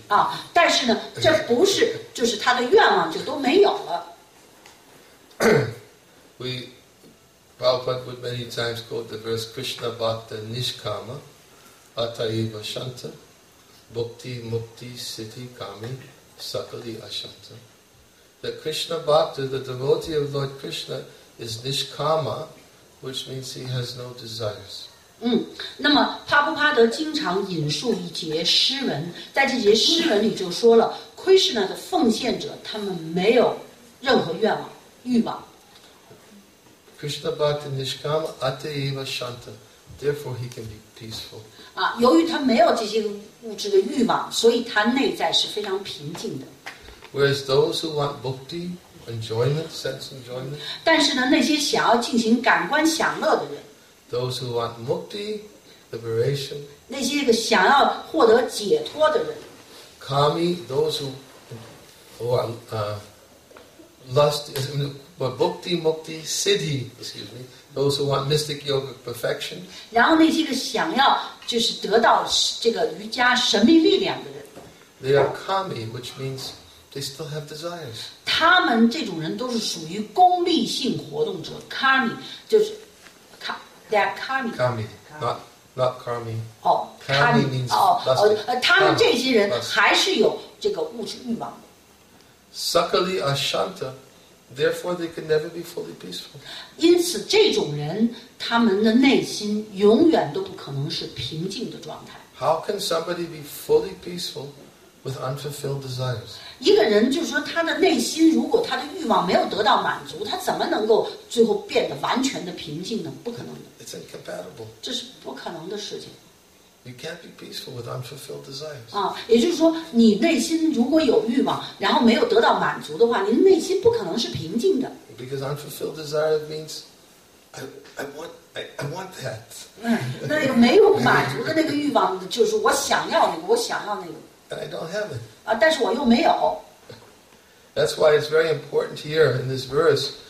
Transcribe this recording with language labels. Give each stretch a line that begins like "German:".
Chinese: 啊，但是呢，这不是，就是他的愿望就都没有了。
English: We, Prabhupada would many times quote the verse
Sanskrit: Krishna Bhakta Nishkama, Ataiva Shanta, Bhakti Mukti Siddhi Kami, Sakali Ashanta.
English: The Krishna Bhakta, the devotee of Lord Krishna, is Nishkama. Which means he has no desires.
Chinese: 那么帕布帕德经常引述一节诗文，在这节诗文里就说了 ，Krishna 的奉献者他们没有任何愿望、欲望。
Sanskrit: Krishna bhakti nishkama ateva shanta,
English: therefore he can be peaceful.
Chinese: 啊，由于他没有这些物质的欲望，所以他内在是非常平静的。
English: Whereas those who want bhakti. Enjoyment, sense enjoyment.
Chinese: 但是呢，那些想要进行感官享乐的人
English: ，those who want mukti, liberation.
Chinese: 那些个想要获得解脱的人
English: ，kami, those who want bhakti, mukti, siddhi. Excuse me, those who want mystic yogic perfection.
Chinese: 然后那些个想要就是得到这个瑜伽神秘力量的人
English: ，they are kami, which means. They still have desires.
Chinese: 他们这种人都是属于功利性活动者 ，karmi 就是 ，
English: they are karmi. Karmi, not karmi. 哦，karmi means
Chinese: 哦他们这些人还是有这个物质欲望的。
English: Sakali ashanta, therefore they can never be fully peaceful.
Chinese: 因此，这种人他们的内心永远都不可能是平静的状态。
English: How can somebody be fully peaceful? With unfulfilled desires.
Chinese: 一个人就是说，他的内心如果他的欲望没有得到满足，他怎么能够最后变得完全的平静呢？不可能的。
English: It's incompatible.
Chinese: 这是不可能的事情。
English: You can't be peaceful with unfulfilled desires.
Chinese: 啊，也就是说，你内心如果有欲望，然后没有得到满足的话，你内心不可能是平静的。
English: Because unfulfilled desire means I want that.
Chinese: 那个没有满足的那个欲望，就是我想要那个，我想要那个。
English: And I don't have it.
Chinese: 啊，但是我又没有。
English: That's why it's very important here in this verse.